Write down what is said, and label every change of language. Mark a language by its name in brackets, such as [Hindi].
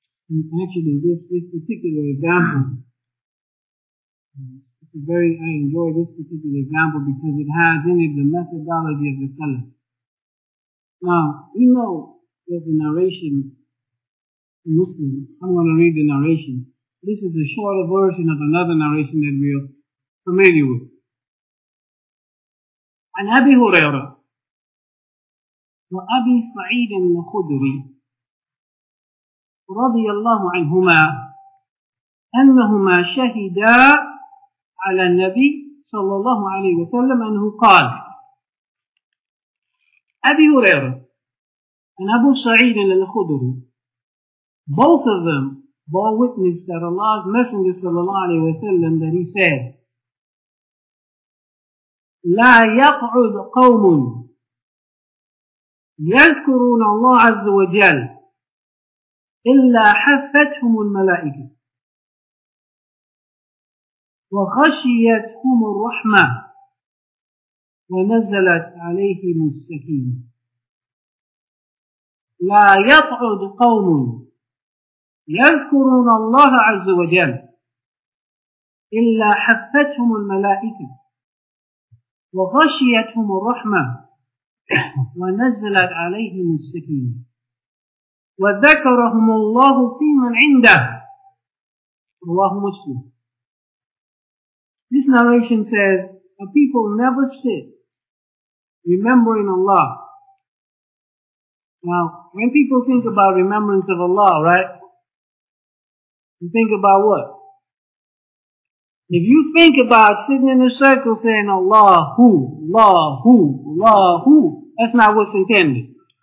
[English] Actually, this particular example, I enjoy this particular example because it has in it the methodology of the salaf. Now, we know there's a narration Muslim. I'm going to read the narration. This is a shorter version of another narration that we are familiar with. [Arabic] عن أبي هريرة وأبي سعيد الخدري رضي الله عنهما أنهما شهدا على النبي صلى الله عليه وسلم أنه قال أبي هريرة and أبو سعيد الخدري. [English] Both of them bore witness that Allah's Messenger sallallahu alayhi wa sallam that he said, [Arabic] لا يقعد قوم يذكرون الله عز وجل إلا حفتهم الملائكة وغشيتهم الرحمة ونزلت عليهم السكينة. لا يقعد قوم يذكرون الله عز وجل إلا حفتهم الملائكة وغشيتهم الرحمة ونزلت عليهم السكينة وذكرهم الله فيمن عنده. رواه مسلم. [English] This narration says, a people never sit remembering Allah. Now, when people think about remembrance of Allah, right? You think about what? If you think about sitting in a circle saying, Allahu, Allahu, Allahu, that's not what's intended.